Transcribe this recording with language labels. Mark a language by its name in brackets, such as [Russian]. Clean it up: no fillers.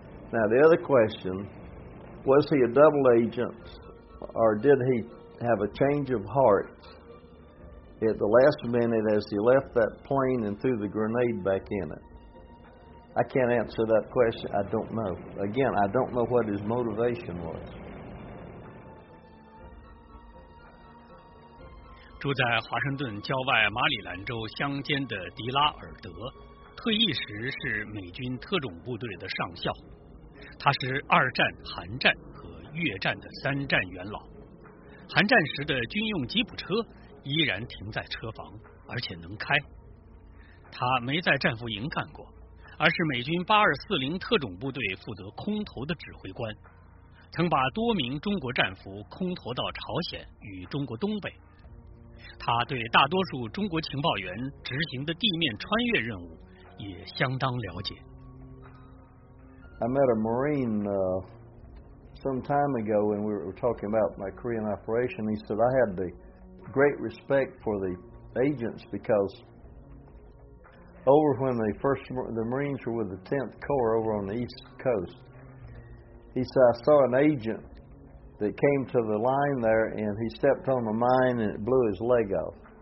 [English] Now the other question, was he a double agent, or did he have a change of heart at the last minute as he left that plane and threw the grenade back in it? I can't answer that question. I don't know. Again, I don't know what his motivation was. [Chinese] 住在华盛顿郊外马里兰州乡间的迪拉尔德，退役时是美军特种部队的上校，他是二战、韩战和越战的三战元老。韩战时的军用吉普车依然停在车房，而且能开。他没在战俘营干过，而是美军8240特种部队负责空投的指挥官，曾把多名中国战俘空投到朝鲜与中国东北。他对大多数中国情报员执行的地面穿越任务也相当了解。 [English] I met a Marine, some time ago when we were talking about my Korean operation. He said I had the great respect for the agents because over when the first the Marines were with the 10th Corps over on the East Coast, he said, I saw an agent that came to the line there and he stepped on a mine and it blew his leg off.